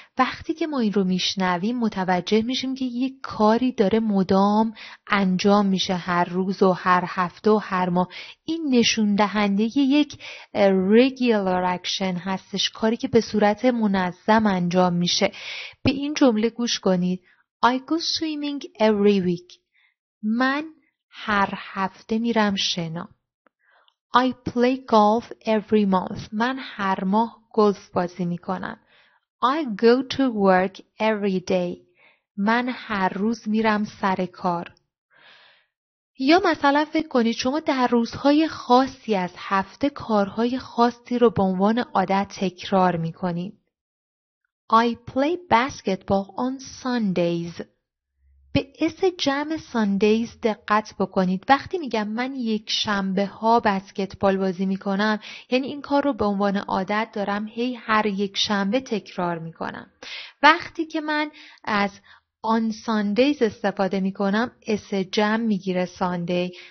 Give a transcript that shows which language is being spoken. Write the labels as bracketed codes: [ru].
[fa] وقتی که ما این رو میشنویم متوجه میشیم که یک کاری داره مدام انجام میشه هر روز و هر هفته و هر ماه. این نشون دهنده یک [en] regular action [fa] هستش، کاری که به صورت منظم انجام میشه. به این جمله گوش کنید. [en] I go swimming every week. [fa] من هر هفته میرم شنا. [en] I play golf every month. [fa] من هر ماه گلف بازی میکنم. [en] I go to work every day. [fa] من هر روز میرم سر کار. یا مثلا فکر کنید شما در روزهای خاصی از هفته کارهای خاصی رو به عنوان عادت تکرار میکنید. [en] I play basketball on Sundays. [fa] به اس جمع Sundays دقت بکنید. وقتی میگم من یک شنبه ها بسکتبال بازی میکنم، یعنی این کار رو به عنوان عادت دارم، هی هر یک شنبه تکرار میکنم. وقتی که من از [en] on Sundays [fa] استفاده میکنم، اس جمع میگیره Sunday.